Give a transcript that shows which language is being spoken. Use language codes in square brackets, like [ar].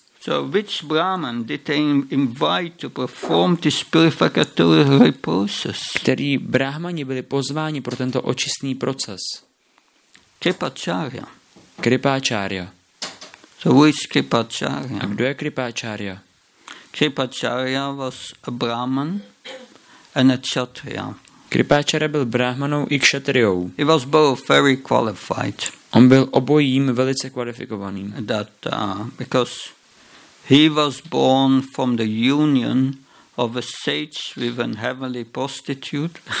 [en] So which Brahman did they invite to perform this purificatory process? [cs] Který Brahmani byli pozváni pro tento očistný proces? [en] Kripacharya. [cs] Kripacharya. [en] So who is Kripacharya? [cs] A kdo je Kripacharya? [en] Kripacharya was a Brahman and a Kshatriya. [cs] Kripacharya byl Brahmanou i Kshatriyou. [en] He was both very qualified. [cs] On byl obojím velice kvalifikovaným. [en] That because he was born from the union of a sage with a heavenly prostitute.